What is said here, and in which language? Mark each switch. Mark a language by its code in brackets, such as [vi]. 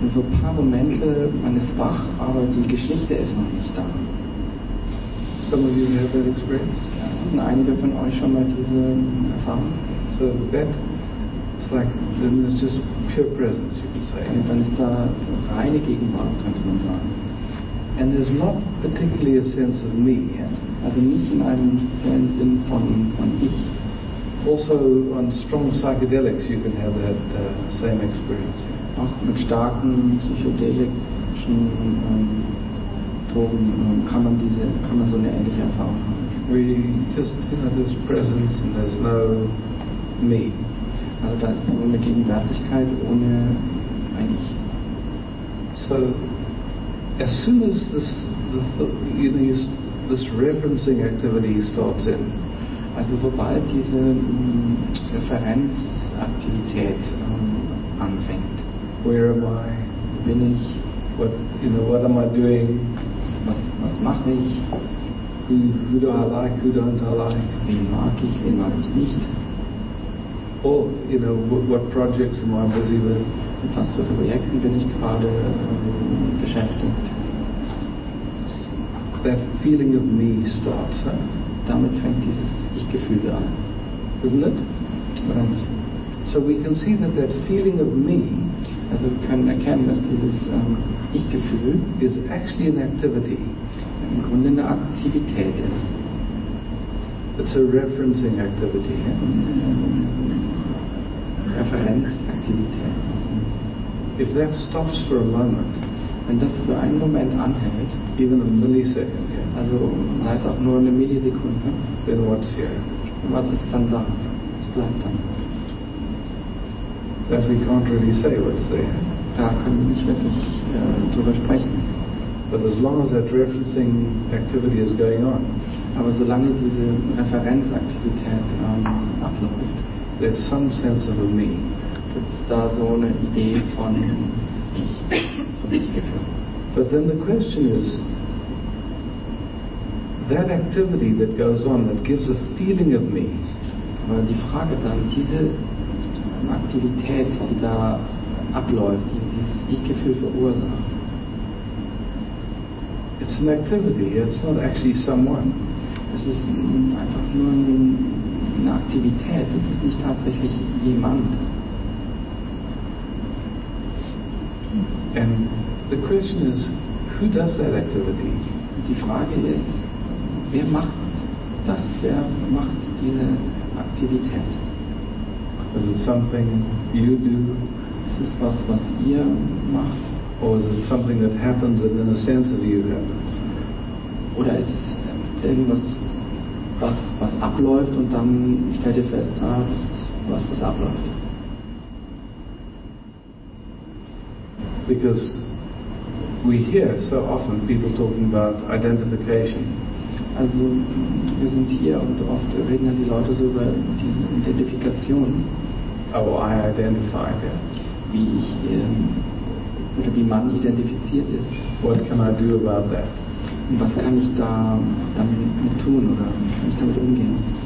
[de] Sind so ein paar Momente, man ist wach, aber die Geschichte ist noch nicht da. [en] Some of you may have that experience. [de] Hatten einige von euch schon mal diese Erfahrung? [en] So that. It's like then it's just pure presence, you could say. [de] Dann ist da reine Gegenwart, könnte man sagen. [en] And there's not particularly a sense of me. Yeah? [de] Also nicht in einem Sinn von ich. [en] Also on strong psychedelics, you can have that same experience. [de] Auch mit starken psychedelischen Drogen kann man so eine ähnliche Erfahrung haben. [en] We just, you know, there's presence and there's no me. [de] Also da ist so eine Gegenwärtigkeit ohne ein Ich. [en] So, as soon as this referencing activity starts in, [de] also sobald diese Referenzaktivität anfängt, [en] where am I? [de] Bin ich? [en] What, you know, what am I doing? [de] Was mache ich? [en] Who do I like? Who don't I like? [de] Wen mag ich? Wen mag ich nicht? [en] Or, you know, what projects am I busy with? [de] Mit was für Projekten bin ich gerade beschäftigt? [en] That feeling of me starts, huh? [de] Damit fängt dieses Ich-Gefühl an. [en] Isn't it? [de] Oder nicht? [en] So we can see that feeling of me, [de] also wir können erkennen, dass dieses Ich-Gefühl [en] is actually an activity. [de] Im Grunde eine Aktivität ist. [en] It's a referencing activity. [de] Referenzaktivität. [en] If that stops for a moment, [de] wenn das für einen Moment anhält, [en] even a millisecond, [de] also sei es auch nur eine Millisekunde, [en] then what's here? [de] Was ist dann da? Was bleibt dann? [en] That we can't really say what's there. [de] Da können wir nicht wirklich drüber sprechen. [en] But as long as that referencing activity is going on, [de] aber solange diese Referenzaktivität abläuft, [en] there's some sense of a me. [de] Gibt's da so eine Idee von ich? Von Ich-Gefühl. [en] But then the question is, that activity that goes on, that gives a feeling of me. [de] Aber die Frage dann, diese Aktivität, die da abläuft, die dieses Ich-Gefühl verursacht. [en] It's an activity, it's not actually someone. [de] Es ist einfach nur eine Aktivität, es ist nicht tatsächlich jemand. [en] And the question is, who does that activity? [de] Die Frage ist, wer macht das? Wer macht diese Aktivität? [en] Is it something you do? [de] Ist es was, was ihr macht? [en] Or is it something that happens and in a sense of you happens? [de] Oder ist es irgendwas, was abläuft und dann stellt ihr fest, was abläuft? [en] Because we hear so often people talking about identification. [de] Also wir sind hier und oft reden dann die Leute so über diese Identifikation. [en] Oh, I identify, yeah. [de] Wie ich oder wie man identifiziert ist. [en] What can I do about that? [de] Und was kann ich da damit tun oder kann ich damit umgehen?